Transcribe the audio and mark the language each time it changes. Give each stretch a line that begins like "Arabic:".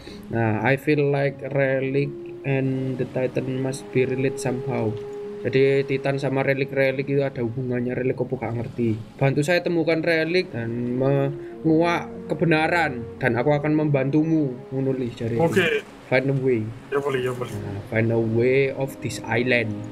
English: Nah, I feel like relic and the titan must be related somehow.
Indonesian: Jadi titan sama relic-relic itu ada hubungannya, relic aku gak ngerti. Bantu saya temukan relic dan menguak kebenaran. Dan aku akan membantumu menulis dari okay.
English: Find a way.
Indonesian: Ya boleh, ya boleh. Nah,
English: find a way of this island.